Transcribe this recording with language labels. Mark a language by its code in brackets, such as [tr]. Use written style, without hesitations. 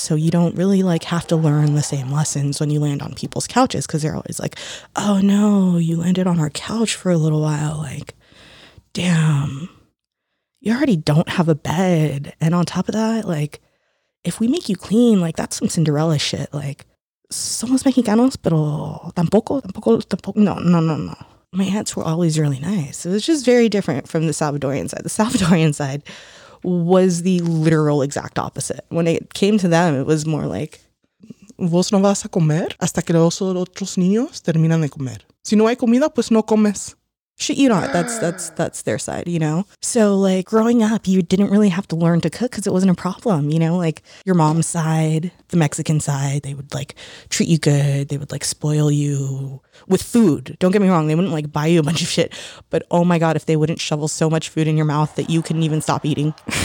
[en] So you don't really like have to learn the same lessons when you land on people's couches, because they're always like, oh no, you landed on our couch for a little while. Like, damn, you already don't have a bed. And on top of that, like, if we make you clean, like, that's some Cinderella shit. [es] Like, somos mexicanos, pero tampoco. No. [en] My aunts were always really nice. It was just very different from the Salvadorian side. The Salvadorian side was the literal exact opposite. When it came to them, it was more like, [es] vos no vas a comer hasta que los otros niños terminan de comer. Si no hay comida, pues no comes. [en] Shit, you not. That's their side, you know? So like growing up, you didn't really have to learn to cook because it wasn't a problem, you know? Like your mom's side, the Mexican side, they would like treat you good. They would like spoil you with food. Don't get me wrong. They wouldn't like buy you a bunch of shit. But oh my God, if they wouldn't shovel so much food in your mouth that you couldn't even stop eating.